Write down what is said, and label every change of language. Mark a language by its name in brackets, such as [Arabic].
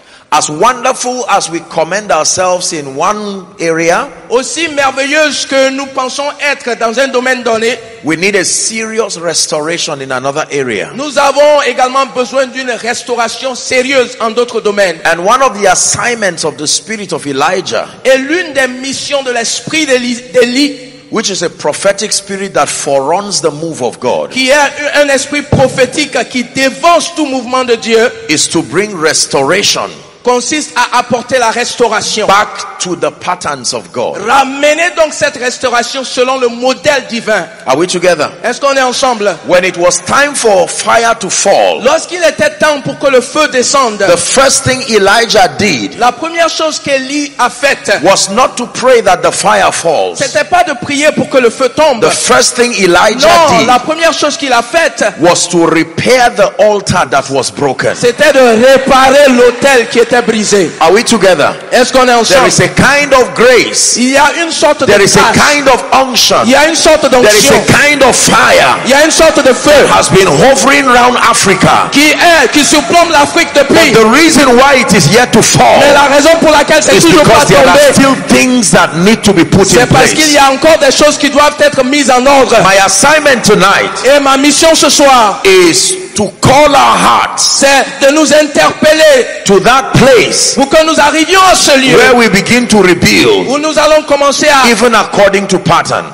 [English] As wonderful as we commend ourselves in one area. [French] Aussi merveilleuse que nous pensons être dans un domaine donné. [English] We need a serious restoration in another area. [French] Nous avons également besoin d'une restauration sérieuse en d'autres domaines. [English] And one of the assignments of the spirit of Elijah. [French] Et l'une des missions de l'esprit d'Élie. [English] Which is a prophetic spirit that foreruns the move of God. [French] Qui est un esprit prophétique qui dévance tout mouvement de Dieu. [English] Is to bring restoration. [French] consiste à apporter la restauration. [English] Back to the patterns of God. [French] Ramenez donc cette restauration selon le modèle divin. [English] Are we together? [French] Est-ce qu'on est ensemble? [English] When it was time for fire to fall. [French] Lorsqu'il était temps pour que le feu descende. [English] The first thing Elijah did. [French] La première chose qu'Élie a faite. [English] Was not to pray that the fire falls. [French] C'était pas de prier pour que le feu tombe. [English] The first thing Elijah [French] non, [English] did. [French] Non, la première chose qu'il a faite. [English] Was to repair the altar that was broken. [French] C'était de réparer l'autel qui était brisé. [English] Are we together? [French] Est-ce qu'on est ensemble? [English] There is a kind of grace. [French] Il y a une sorte [English] there [French] de grâce. [English] There is a kind of unction. [French] Il y a une sorte d'onction. [English] There is a kind of fire. [French] Il y a une sorte de feu. [English] That has been hovering around Africa. [French] Qui surplombe l'Afrique depuis. [English] But the reason why it is yet to fall. [French] Mais la raison pour laquelle c'est toujours pas tombé. [English] Is because there are still things that need to be put in place. [French] C'est parce qu'il y a encore des choses qui doivent être mises en ordre. [English] My assignment tonight. [French] Et ma mission ce soir. [English] Is to call our hearts. [French] C'est de nous interpeller. [English] To that place. [French] Pour que nous arrivions à ce lieu. [English] Where we begin to rebuild. [French] Où nous allons commencer à. [English] Even according to pattern.